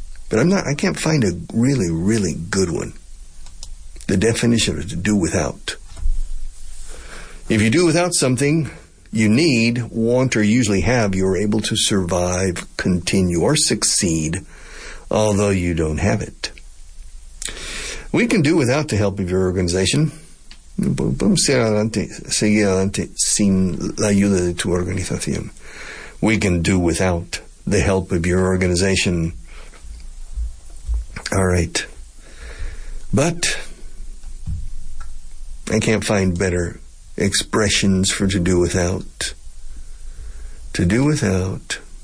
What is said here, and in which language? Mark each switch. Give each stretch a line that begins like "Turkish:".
English: But I can't find a really, really good one. The definition of to do without. If you do without something you need, want, or usually have, you're able to survive, continue, or succeed, although you don't have it. We can do without the help of your organization.
Spanish: Podemos seguir adelante sin la ayuda de tu organización.
English: We can do without the help of your organization. All right, but I can't find better expressions for to do without. To do without,